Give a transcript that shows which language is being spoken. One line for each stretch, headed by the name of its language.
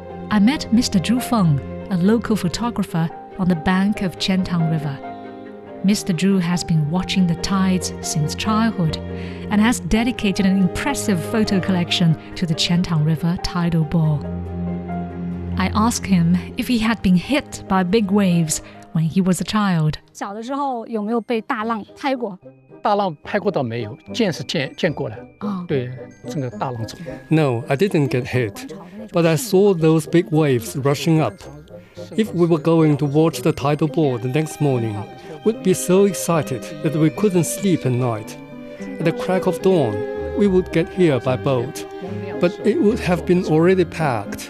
English: I met Mr. Zhu Feng, a local photographer, on the bank of Qiantang River. Mr. Zhu has been watching the tides since childhood and has dedicated an impressive photo collection to the Qiantang River tidal bore. I asked him if he had been hit by big waves when he was a child.
Chinese: 小的时候有没有被大浪拍过? 大浪拍过倒没有,见是见过了。对,这个大浪冲。
English: No, I didn't get hit, but I saw those big waves rushing up. If we were going to watch the tidal bore the next morning, we'd be so excited that we couldn't sleep at night. At the crack of dawn, we would get here by boat, but it would have been already packed.